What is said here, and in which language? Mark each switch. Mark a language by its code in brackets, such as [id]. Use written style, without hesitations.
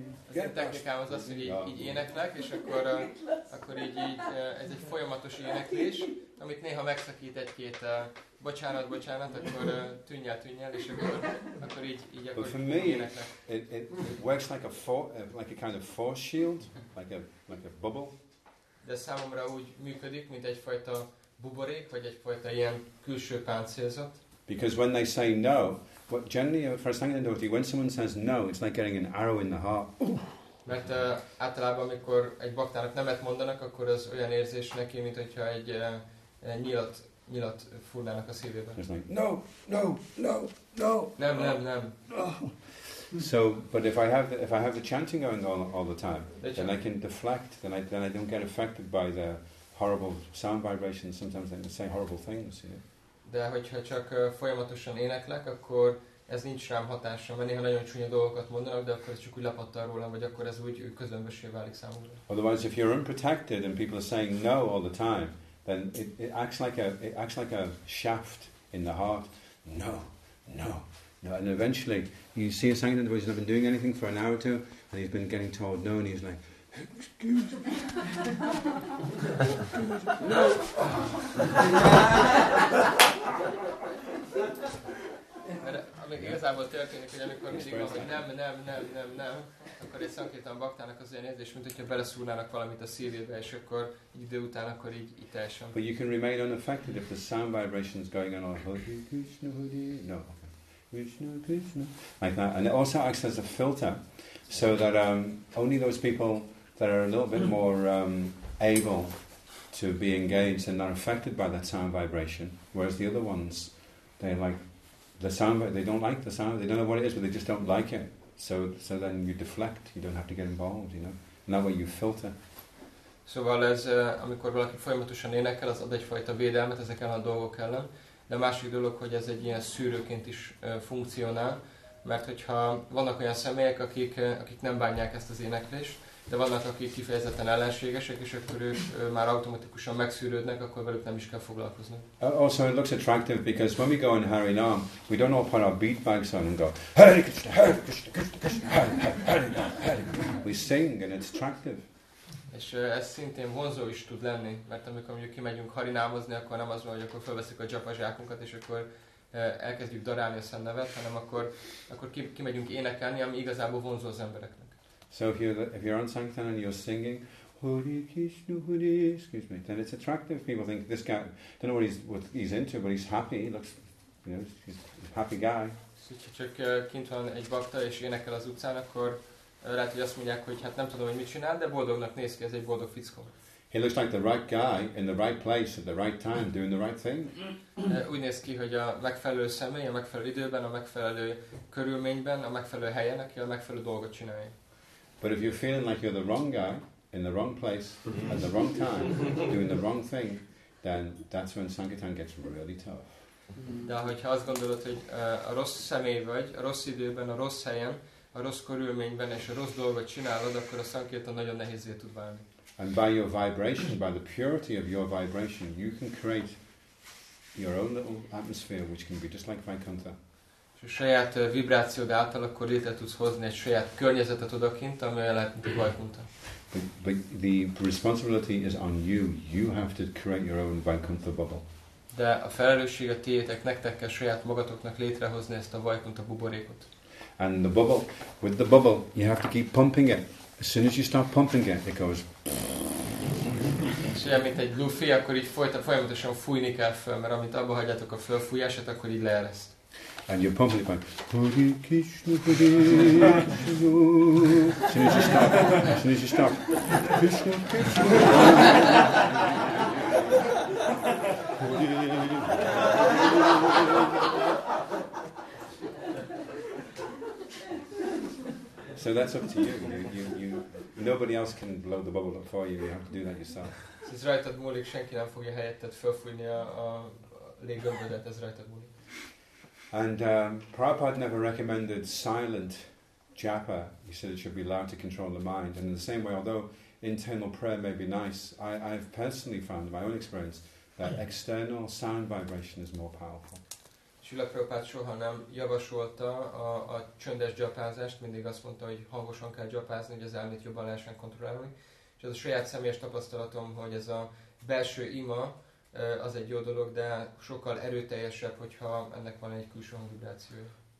[hu] A technikám az, hogy így éneklek, és akkor így ez egy folyamatos éneklés, amit néha megszakít egy-két bocsánat, akkor tűnjel, és akkor [en] for me, it works like a kind of force shield, like a bubble. [hu] De számomra úgy működik, mint egyfajta buborék, vagy egyfajta ilyen külső páncélzat. [en] Because when they say no, but generally, for a Sankirtan devotee, when someone says no, it's like getting an arrow in the heart. [hu] Mert általában, amikor egy baktának nemet mondanak, akkor az olyan érzés neki, mint hogyha egy nyilat fúrnának a szívében. [en] It's like, no, no, no, no. [hu] Nem, nem, nem. [en] So, but if I have the chanting going on all the time, then I can deflect, then I don't get affected by the horrible sound vibrations. Sometimes they say horrible things, you know. [hu] de hogyha csak folyamatosan éneklek, akkor ez nincs rám hatása, mert néha nagyon csúnya dolgokat mondanak, de akkor ez csak úgy lapattal rólam, vagy akkor ez úgy közömbössé válik számomra. [en] Otherwise, if you're unprotected and people are saying no all the time, then it acts like a shaft in the heart. No, no, no. And eventually, you see a sanctum where he's not been doing anything for an hour or two, and he's been getting told no, and he's like, excuse me. No. [hu] Még igazából történik, hogy amikor mindig van, hogy nem, akkor egy szankirtan baktának az olyan érzés, mint hogyha beleszúrnának valamit a szívébe, és akkor idő után akkor így teljesen. [en] But you can remain unaffected if the sound vibration is going on, Hare Krishna, Hare no, Krishna, Krishna, like that. And it also acts as a filter, so that only those people that are a little bit more able to be engaged and not affected by that sound vibration, whereas the other ones, they like, the sound, they don't like the sound, they don't know what it is, but they just don't like it. So then you deflect, you don't have to get involved, you know. And that way you filter. [hu] Szóval ez, amikor valaki folyamatosan énekel, az ad egyfajta védelmet ezeken a dolgok ellen. De a másik dolog, hogy ez egy ilyen szűrőként is funkcionál, mert hogyha vannak olyan személyek, akik nem bánják ezt az éneklést, de vannak, akik kifejezetten ellenségesek, és akkor ők már automatikusan megszűrődnek, akkor velük nem is kell foglalkozni. [en] Also, it looks attractive, because when we go in Harinam, we don't all put our beat bags on and go, Hare Krishna, Hare Krishna, Krishna Krishna, Hare Hare, Hare Krishna. We sing, and it's attractive. [hu] És ez szintén vonzó is tud lenni, mert amikor mondjuk kimegyünk harinámozni, akkor nem az van, hogy akkor felveszik a japa zsákunkat, és akkor elkezdjük darálni a szennevet, hanem akkor kimegyünk énekelni, ami igazából vonzó az embereknek. [en] So if you're on sankirtan and you're singing Hare Krishna Hare, excuse me, then it's attractive. People think this guy, I don't know what he's into, but he's happy. He looks, you know, he's a happy guy. So if [hu] csak kint van egy bakta és énekel az utcán, akkor lehet, hogy azt mondják, hogy hát nem tudom, hogy mit csinál, de boldognak néz ki, ez egy boldog fickó. [en] He looks like the right guy in the right place at the right time doing the right thing. [hu] Úgy néz ki, hogy a megfelelő személy, a megfelelő időben, a megfelelő körülményben, a megfelelő helyen, aki a megfelelő dolgot csinálja. [en] But if you're feeling like you're the wrong guy, in the wrong place, at the wrong time, doing the wrong thing, then that's when sankirtan gets really tough. [hu] De hogyha azt gondolod, hogy a rossz személy vagy, a rossz időben, a rossz helyen, a rossz körülményben és a rossz dolgot csinálod, akkor a sankirtan nagyon nehézé tud válni. [en] And by your vibration, by the purity of your vibration, you can create your own little atmosphere, which can be just like Vaikuntha. [hu] És a saját vibrációd által akkor létre tudsz hozni egy saját környezetet odakint, amivel lehet, mint a Vaikuntha. [en] But the responsibility is on you. You have to create your own Vaikuntha bubble. [hu] De a felelősség a tiétek, nektek kell saját magatoknak létrehozni ezt a Vaikuntha buborékot. [en] And the bubble, with the bubble, you have to keep pumping it. As soon as you start pumping it, it goes... [hu] És olyan, mint egy lufi, akkor így folyamatosan fújni kell föl, mert amit abba hagyjátok a fölfújását, akkor így leereszt. [en] And you're pumping it by Hare Krishna, Hare Krishna. As soon as you stop. Krishna, Krishna. So that's up to you. You. Nobody else can blow the bubble up for you. You have to do that yourself. So it's right at Mulik. [hu] Senki nem fogja helyetted felfújni a léggömbödet. [en] Ez right at Mulik. And Prabhupada never recommended silent japa. He said it should be loud to control the mind. And in the same way, although internal prayer may be nice, I've personally found in my own experience that external sound vibration is more powerful. [hu] Srila Prabhupada soha nem javasolta a csöndes japázást, mindig azt mondta, hogy hangosan kell japázni, hogy az elmét jobban lehessen kontrollálni. És az a saját személyes tapasztalatom, hogy ez a belső ima, az egy jó dolog, de sokkal erőteljesebb, hogyha ennek van egy külső vibrációja.